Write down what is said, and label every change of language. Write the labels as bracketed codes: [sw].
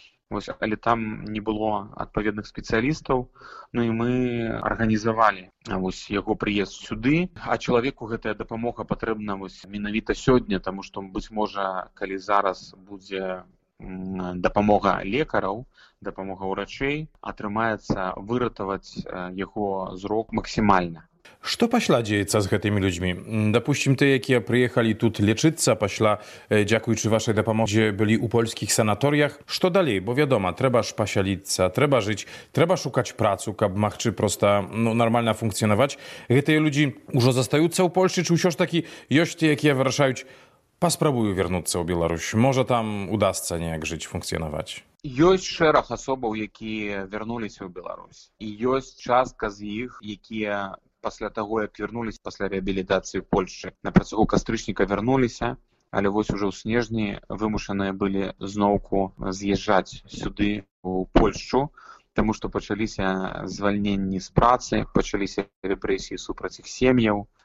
[be] Вось, але там не было адпаведных спецыялістаў, ну і мы арганізавалі вось яго прыезд сюды, а чалавеку гэтая дапамога патрэбна вось менавіта сёння, таму што быць можа, калі зараз будзе дапамога лекараў, дапамога ўрачэй, атрымаецца выратаваць яго зрок максімальна. [ru] Что пошла деяться с этими людьми? Допустим, те, которые приехали тут лечиться, пошла, дякуючи вашей допомоги, были у польских санаториях. Что далее? Бо, ведомо, треба ж поселиться, треба жить, треба шукать працу, каб махчи просто ну, нормально функционовать. Эти люди уже застаются у Польши, чи еще ж таки, есть те, которые вирашают, поспробую вернуться в Беларусь. Может, там удастся неяк жить, функционовать? [be] Ёсць шэраг асобаў, якія вярнуліся ў Беларусь. І ёсць частка з іх, якія пасля таго, як вярнуліся пасля рэабілітацыі ў Польшчы, на працягу кастрычніка вярнуліся, але вось ужо ў снежні вымушаныя былі зноўку з'язджаць сюды ў Польшчу, таму што пачаліся звальненні з працы, пачаліся рэпрэсіі супраць іх сем'яў.